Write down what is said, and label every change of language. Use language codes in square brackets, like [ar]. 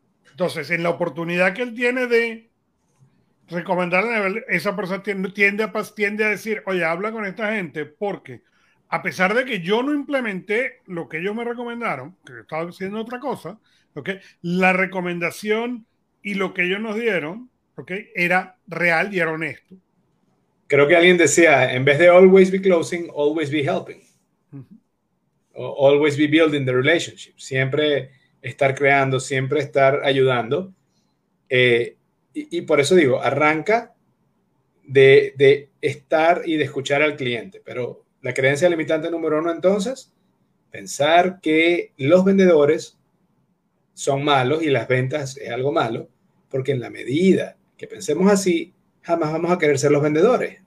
[es] Entonces, en la oportunidad que él tiene de recomendar, esa persona tiende a decir, oye, habla con esta gente, porque a pesar de que yo no implementé lo que ellos me recomendaron, que estaba haciendo otra cosa, ¿okay? La recomendación y lo que ellos nos dieron, ¿okay? Era real y era honesto. Creo que alguien decía, en vez de [en] always be closing, always be helping. Uh-huh. Always be building the relationship. [es] Siempre estar creando, siempre estar ayudando. Y por eso digo, arranca de estar y de escuchar al cliente, pero la creencia limitante número uno, entonces, pensar que los vendedores son malos y las ventas es algo malo, porque en la medida que pensemos así, jamás vamos a querer ser los vendedores.